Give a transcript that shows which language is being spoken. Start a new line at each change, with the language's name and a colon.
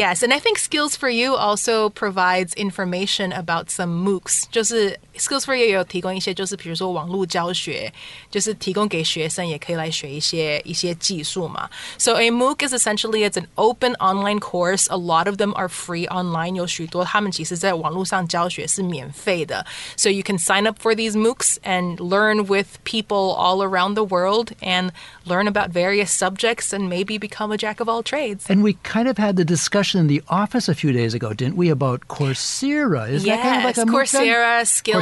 English: Yes, and I think Skills for You also provides information about some MOOCs.
Chinese: 就是 Skills for You 也有提供一些，就是比如说网络教学，就是提供给学生也可以来学一些技术嘛。
English: So a MOOC is essentially, it's an open online course. A lot of them are free online.
Chinese: 有许多他们其实在网络上教学是免费的。
English: So you can sign up for these MOOCs and learn with people all around the world and learn about various subjects and maybe become a jack of all trades. And we kind of had the discussion in the office a few days ago, didn't we, about Coursera? Yes, that kind of like a Coursera, Skillshare.